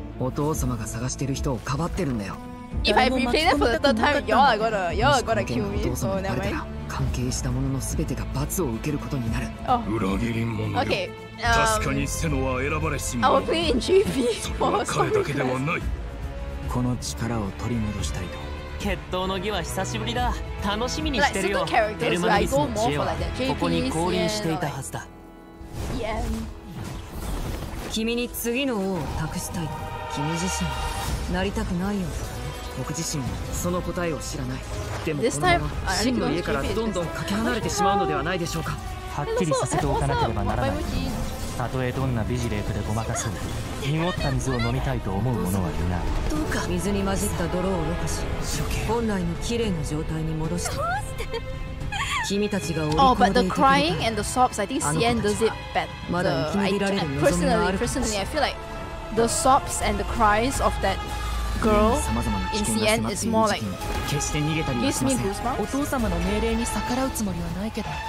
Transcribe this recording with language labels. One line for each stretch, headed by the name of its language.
Japanese: お父様が探してる人をかばってるんだよ。
English: If I replay that for the third time, y'all are gonna kill me. So never mind.
Japanese: 関係した者のすべてが罰を受けることになる。 Oh. 裏切り者よ。
English: Okay.
Japanese: 確かにセノは選ばれし者。
English: I will play in GP.
Japanese: それは彼だけではない。この力を取り戻したいと。決闘の儀は久しぶりだ。楽しみにしてるよ。
English: Like certain characters, but I go more for like that. JP's
Japanese: ここに降臨していたはずだ。
English: Yeah.
Japanese: 君に次の王を託したい。君自身なりたくないようだね。僕自身もその答えを知らない。でもこのまま真の家からどんどんかけ離れてしまうのではないでしょうか。はっきりさせておかなければならない。たとえどんなビジレークでごまかそう、濁った水を飲みたいと思う者はいない。どうか水に混じった泥をろ過し、本来のきれいな状態に戻して。
English: Oh, but the crying and the sobs, I think Cien does it better. Personally, I feel like the sobs and the cries of that girl in Cien is more like gives me goosebumps.